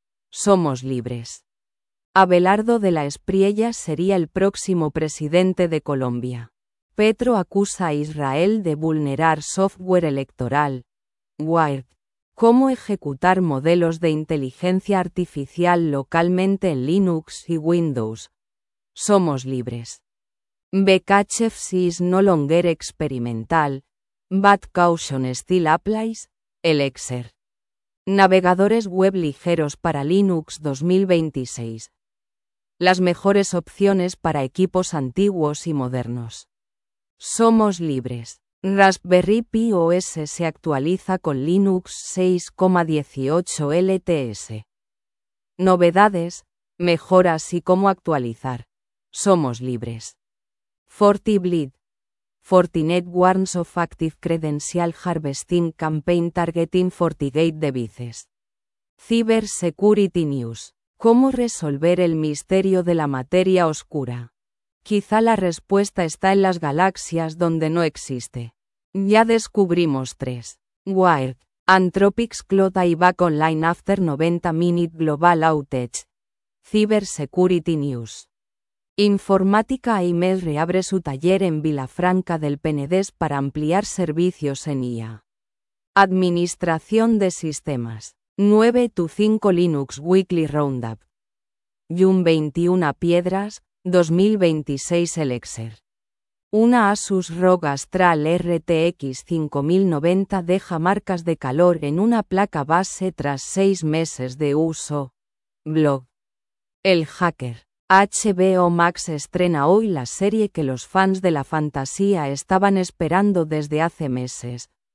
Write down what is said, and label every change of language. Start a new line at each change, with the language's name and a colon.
Spanish: Somos libres. Abelardo de la Espriella sería el próximo presidente de Colombia. Petro acusa a Israel de vulnerar software electoral. Wired. ¿Cómo ejecutar modelos de inteligencia artificial localmente en Linux y Windows? Somos libres.
English: BKHF is no longer experimental, but caution still applies.
Spanish: Elixir. Navegadores web ligeros para Linux 2026. Las mejores opciones para equipos antiguos y modernos. Somos libres. Raspberry Pi OS se actualiza con Linux 6.18 LTS. Novedades, mejoras y cómo actualizar. Somos libres. FortiBleed.
English: Fortinet warns of active credential harvesting campaign targeting Fortinet devices. Cyber Security News.
Spanish: ¿Cómo resolver el misterio de la materia oscura? Quizá la respuesta está en las galaxias donde no existe. Ya descubrimos tres.
English: Wired. Anthropic's cloud AI back online after 90-minute global outage.
Spanish: Cyber Security News. Informática AIMES reabre su taller en Vilafranca del Penedès para ampliar servicios en IA. Administración de sistemas.
English: 9 to 5 Linux Weekly Roundup. Yum 21 Piedras, 2026 Elixir.
Spanish: Una Asus ROG Astral RTX 5090 deja marcas de calor en una placa base tras 6 meses de uso. Blog. El Hacker. HBO Max estrena hoy la serie que los fans de la fantasía estaban esperando desde hace meses.